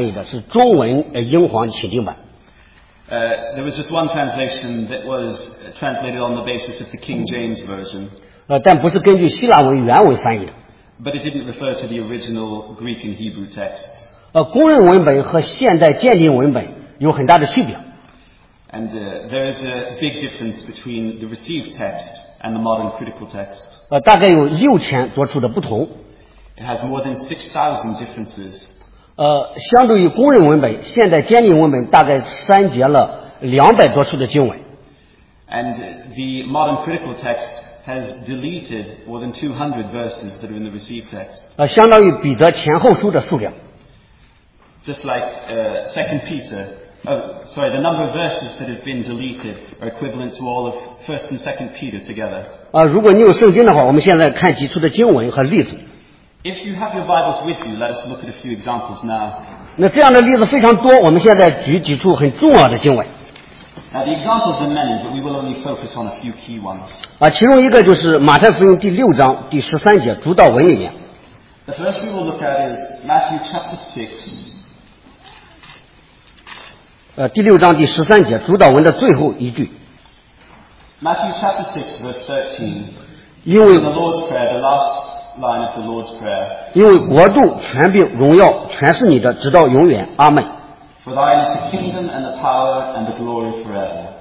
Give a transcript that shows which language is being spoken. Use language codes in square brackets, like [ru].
[zh] 只有一个是间接根据公认文本翻译的，是中文英皇钦定版。 [en] There was just one translation that was translated on the basis of the King James Version. [zh] 但不是根据希腊文原文翻译的。 [en] But it didn't refer to the original Greek and Hebrew texts. [zh] 公认文本和现代鉴定文本有很大的区别。 [en] And there is a big difference between the received text and the modern critical text. [zh] 大概有6000多处的不同。 [en] It has more than 6,000 differences. [zh] 相对于公认文本, 现代鉴定文本, 大概删节了200多处的经文。 [en] And the modern critical text has deleted more than 200 verses that are in the received text. [zh] 相当于彼得前后书的数量。 [en] Just like 2 Peter, the number of verses that have been deleted are equivalent to all of 1 and 2 Peter together. [zh] 如果你有圣经的话, 我们现在看几处的经文和例子。 [en] If you have your Bibles with you, let us look at a few examples now. [zh] 那这样的例子非常多, 我们现在举几处很重要的经文。 [en] Now the examples are many, but we will only focus on a few key ones. [zh] 其中一个就是马太福音第6章第13节, 主道文里面。 [en] The first we will look at is Matthew chapter 6. [zh] 第6章第13节, 主道文的最后一句。 [en] Matthew chapter 6, verse 13. [zh] 因为, [en] the Lord's Prayer, the last line of the Lord's Prayer. [zh] 因为国度、权柄、荣耀全是你的, 直到永远, Amen. [en] For thine is the kingdom and the power and the glory forever.